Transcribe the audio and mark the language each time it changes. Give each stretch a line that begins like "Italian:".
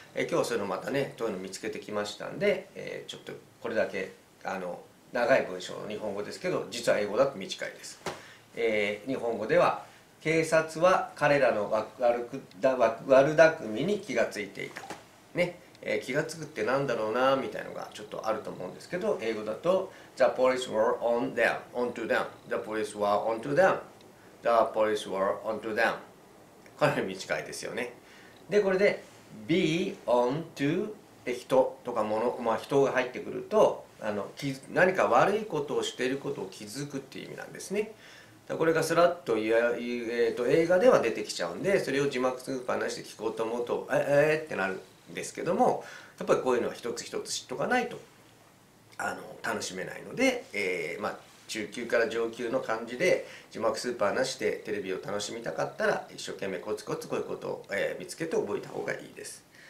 Japanese: 今日はそういうのまたね、どういうの見つけてきましたんで、ちょっとこれだけ長い文章の日本語ですけど、実は英語だと短いです。日本語では警察は彼らの悪だくみに気がついていたね。気がつくってなんだろうなみたいのがちょっとあると思うんですけど、英語だと
English: The police were on them, onto them. The police were onto them. The police were onto them.
Japanese: かなり短いですよね。で、これで Be onto で人とか物、まあ人が入ってくると、何か悪いことをしていることを気づくっていう意味なんですね。これがスラッと映画では出てきちゃうんで、それを字幕つく話で聞こうと思うとってなるですけども、やっぱりこういうのは一つ一つ知っとかないと楽しめないので、まあ、中級から上級の感じで字幕スーパーなしでテレビを楽しみたかったら、一生懸命コツコツこういうことを、見つけて覚えた方がいいです。